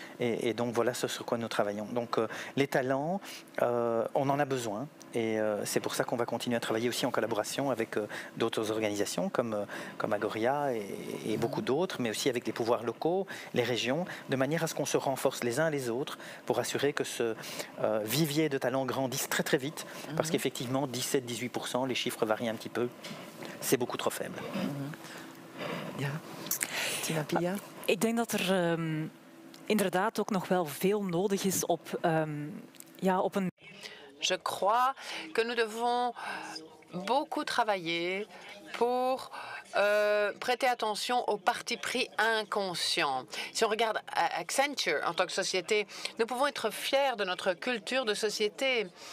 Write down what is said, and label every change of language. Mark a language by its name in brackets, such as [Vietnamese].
[French] Et donc voilà ce sur quoi nous travaillons. Donc les talents, on en a besoin et c'est pour ça qu'on va continuer à travailler aussi en collaboration avec d'autres organisations comme Agoria et beaucoup d'autres, mais aussi avec les pouvoirs locaux, les régions, de manière à ce qu'on se renforce les uns les autres pour assurer que ce vivier de talents grandisse très très vite, parce qu'effectivement 17-18%, les chiffres varient un petit peu, c'est beaucoup trop faible. [Dutch] Tina Pia, ik denk dat er inderdaad ook nog wel veel nodig is op, op een... [French] Je crois que nous devons beaucoup travailler pour prêter attention aux partis pris inconscients. Si on regarde Accenture en tant que société, nous pouvons être fiers de notre culture de société.